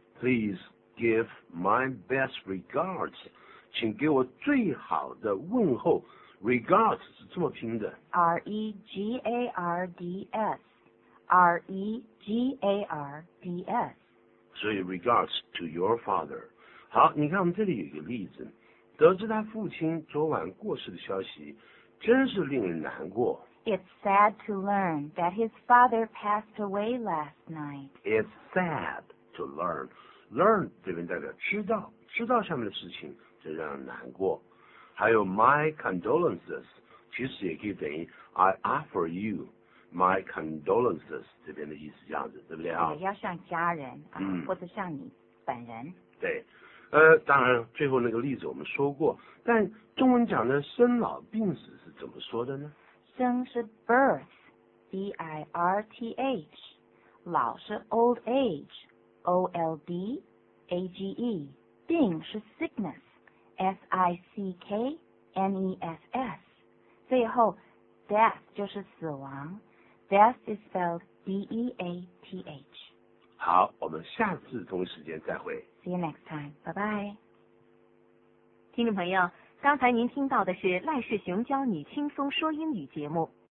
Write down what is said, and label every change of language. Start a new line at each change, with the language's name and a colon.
English: Please give my best regards，
Chinese: 请给我最好的问候。 Regards 是这么拼的。
English: R E G A R D S， R E G A R D S。
Chinese: 所以
English: regards to your father。
Chinese: 好，你看我们这里有一个例子。得知他父亲昨晚过世的消息，真是令人难过。
English: It's sad to learn that his father passed away last night. It's sad to learn.
Chinese: Learn 这边代表知道，知道下面的事情就让人难过。还有 my condolences， 其实也可以等于
English: I offer you my condolences
Chinese: 这边的意思，这样子，对不对啊？对，要向家人，或者向你本人。对。当然最后那个例子我们说过，但中文讲的生老病死是怎么说的呢？生是 birth， B-I-R-T-H， 老是 old age， O-L-D-A-G-E， 病是 sickness， S-I-C-K-N-E-S-S， 最后 death 就是死亡，
English: death is spelled D-E-A-T-H。
Chinese: 好，我们下次同一时间再会。
English: See you next time. Bye bye.
Chinese: 听众朋友，刚才您听到的是赖世雄教你轻松说英语节目。